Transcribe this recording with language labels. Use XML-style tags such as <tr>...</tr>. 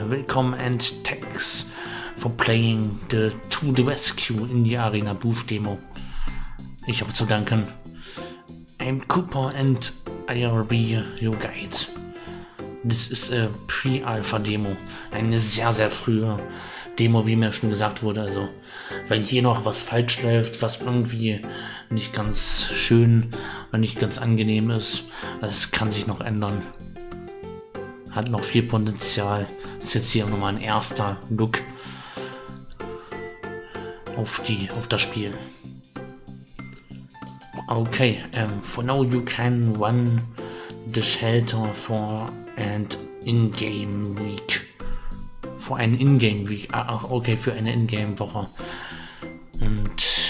<en>Welcome and thanks for playing the To the Rescue in the Arena Booth Demo.</en> <de>Ich habe zu danken.</de> <en>I'm Cooper and I will be your guide.</en> <de>Das ist Pre-Alpha-Demo, eine sehr, sehr frühe Demo, wie mir schon gesagt wurde. Also, wenn hier noch was falsch läuft, was irgendwie nicht ganz schön und nicht ganz angenehm ist, das kann sich noch ändern. Hat noch viel Potenzial. Ist jetzt hier nochmal ein erster Look auf das Spiel.</de> <en>Okay, for now you can run the shelter for and in-game week. For an in-game week.</en> <de>Ach, okay, für eine in-game Woche. Und</de>